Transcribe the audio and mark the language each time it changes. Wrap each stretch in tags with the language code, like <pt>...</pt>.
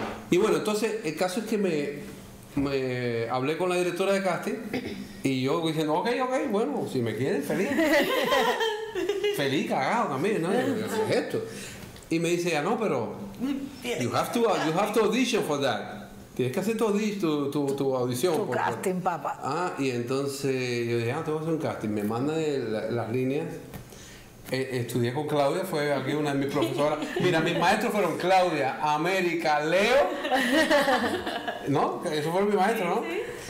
<es>Y bueno, entonces el caso es que me hablé con la directora de casting y yo diciendo, ok, bueno, si me quieren, feliz. Feliz, cagado también, ¿no? Es esto. Y me dice ella, no, pero</es> <en>you have to audition for that.</en> <es>Tienes que hacer tu audición. Tu casting, papá. Ah, y entonces yo dije, ah, tengo que hacer un casting. Me manda las líneas. Estudié con Claudia, fue aquí una de mis profesoras. Mira, mis maestros fueron Claudia, América, Leo. ¿No? Eso fue mi maestro, ¿no? Sí, sí.</es>